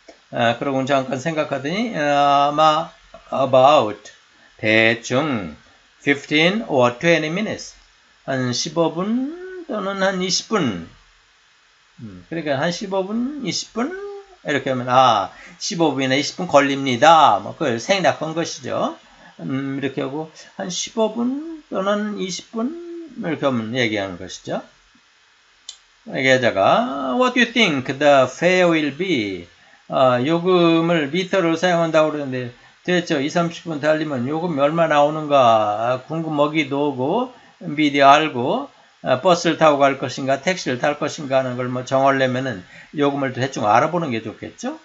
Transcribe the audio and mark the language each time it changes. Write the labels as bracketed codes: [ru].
[ko] 그러고 잠깐 생각하더니 아마 about 대충 [en] 15 or 20 minutes [ko] 한 15분 또는 한 20분 그러니까 한 15분 20분 이렇게 하면 아 15분이나 20분 걸립니다. 뭐 그걸 생략한 것이죠. 이렇게 하고 한 15분 또는 20분 이렇게 하면 얘기하는 것이죠. [en] 얘기하다가 What do you think the fare will be? [ko] 요금을 미터를 사용한다고 그러는데 대체 20, 30분 달리면 요금이 얼마 나오는가 궁금하기도 하고 미리 알고 버스를 타고 갈 것인가 택시를 탈 것인가 하는 걸 뭐 정하려면은 요금을 대충 알아보는 게 좋겠죠.